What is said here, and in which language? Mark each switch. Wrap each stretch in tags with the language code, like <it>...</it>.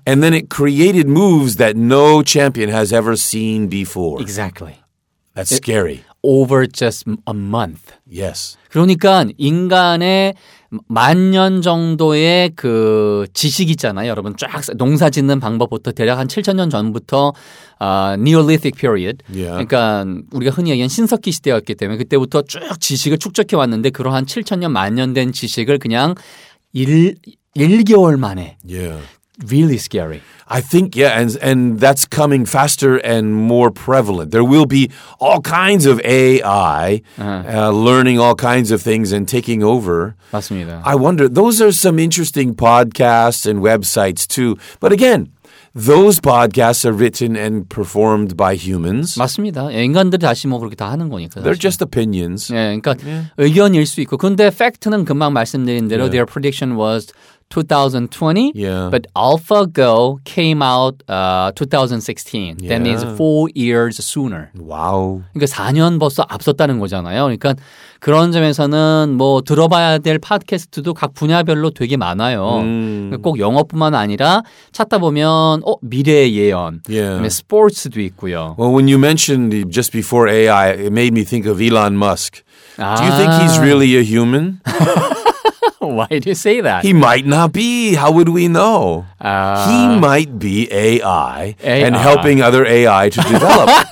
<en>And then it created moves that no champion has ever seen before. Exactly. That's scary. Over just a month. Yes.</en> <ko>그러니까 인간의 만년 정도의 그 지식 있잖아요. 여러분 쫙 농사 짓는 방법부터 대략 한 7천 년 전부터</ko> <en>Neolithic period. Yeah.</en> <ko>그러니까 우리가 흔히 얘기한 신석기 시대였기 때문에 그때부터 쭉 지식을 축적해 왔는데 그러한 7천 년 만년 된 지식을 그냥 1개월 만에.</ko> <en>Yeah. Really scary. I think, yeah, and that's coming faster and more prevalent. There will be all kinds of AI learning all kinds of things and taking over.</en> <ko>맞습니다.</ko> <en>I wonder, those are some interesting podcasts and websites too. But again, those podcasts are written and performed by humans.</en> <ko>맞습니다. 인간들이 다시 뭐 그렇게 다 하는 거니까. 사실.</ko> <en>They're just opinions.</en> <ko>예, 그러니까 yeah. 의견일 수 있고. 근데 팩트는 금방 말씀드린 대로 yeah.</ko> <en>their prediction was 2020, yeah. but AlphaGo came out 2016. Yeah. That means 4 years sooner. Wow.</en> <ko>그러니까 4년 벌써 앞섰다는 거잖아요. 그러니까 그런 점에서는 뭐 들어봐야 될 팟캐스트도 각 분야별로 되게 많아요. 그러니까 꼭 영어뿐만 아니라 찾다 보면 미래 예언, yeah. 스포츠도 있고요.</ko> <en>Well, when you mentioned just before AI, it made me think of Elon Musk.</en> <ko>아.</ko> <en>Do you think he's really a human? Why do you say that? He might not be. How would we know? He might be AI and helping other AI to develop.</en>